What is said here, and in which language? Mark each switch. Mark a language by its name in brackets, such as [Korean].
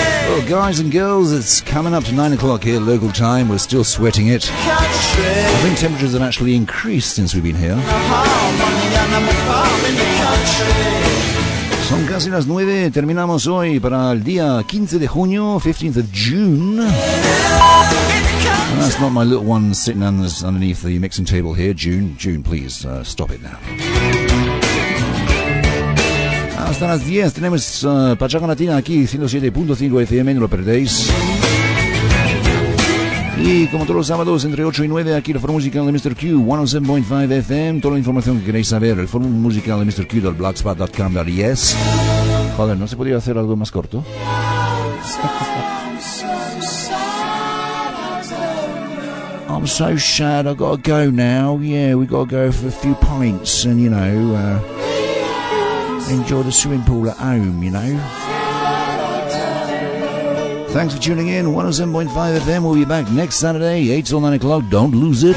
[English] Well, guys and girls, it's coming up to 9 o'clock here, local time. We're still sweating it. I think temperatures have actually increased since we've been here. [Spanish] Son casi las 9, terminamos hoy para el día 15 de junio, [English] 15th of June. And that's not my little one sitting underneath the mixing table here. June, please, stop it now. [Spanish] Hasta las 10, tenemos Pachanga Latina aquí, 107.5 FM, no lo perdéis. Y como todos los sábados, entre 8 y 9, aquí el foro musical de Mr. Q, 107.5 FM. Toda la información que queréis saber, el foro musical de Mr. Q, del blogspot.com.es. Joder, ¿no se podía hacer algo más corto? [English] I'm so sad, I've got to go now. Yeah, we got to go for a few pints and, you know, enjoy the swimming pool at home, you know. Thanks for tuning in. 107.5 FM. We'll be back next Saturday, 8 till 9 o'clock. Don't lose it.